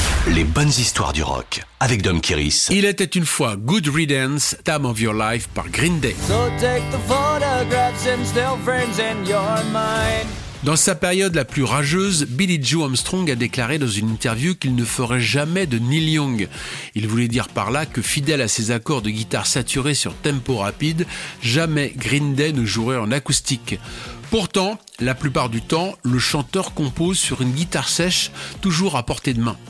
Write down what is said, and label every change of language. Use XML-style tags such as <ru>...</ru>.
<fr>Les bonnes histoires du rock avec Dom Kiris. Il était une fois Good Riddance, Time of Your Life par Green Day.</fr> <en>So take the photographs and still frames in your mind.</en> <fr>Dans sa période la plus rageuse, Billy Joe Armstrong a déclaré dans une interview qu'il ne ferait jamais de Neil Young. Il voulait dire par là que, fidèle à ses accords de guitare saturés sur tempo rapide, jamais Green Day ne jouerait en acoustique. Pourtant, la plupart du temps, le chanteur compose sur une guitare sèche, toujours à portée de main.</fr>